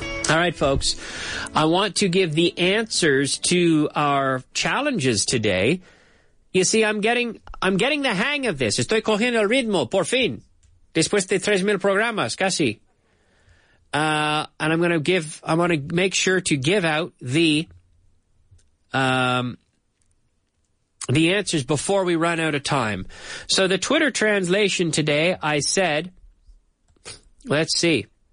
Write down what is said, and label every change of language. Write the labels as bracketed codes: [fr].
[en] All right, folks, I want to give the answers to our challenges today. You see, I'm getting the hang of this. [es] Estoy cogiendo el ritmo, por fin, después de 3,000 programas, casi. [en] And I'm going to make sure to give out the answers before we run out of time. So the Twitter translation today, I said, let's see.